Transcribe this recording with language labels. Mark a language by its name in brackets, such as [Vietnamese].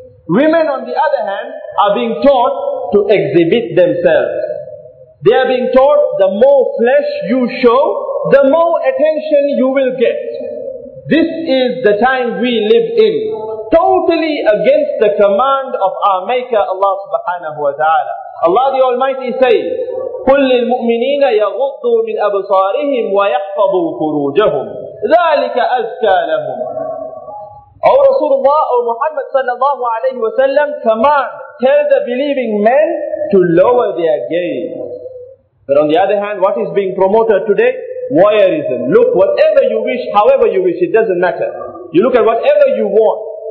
[English] Women, on the other hand, are being taught to exhibit themselves. They are being taught, the more flesh you show, the more attention you will get. This is the time we live in, totally against the command of our Maker Allah subhanahu wa ta'ala. Allah the Almighty says, [Arabic] قُلْ لِلْمُؤْمِنِينَ يَغُضُّوا مِنْ أَبْصَارِهِمْ وَيَحْفَظُوا فُرُوجَهُمْ ذَلِكَ أَزْكَى لَهُمْ. [English] O Rasulullah, O Muhammad sallallahu alayhi wa sallam, command, tell the believing men to lower their gaze. But on the other hand, what is being promoted today? Voyeurism. Look, whatever you wish, however you wish, it doesn't matter. You look at whatever you want.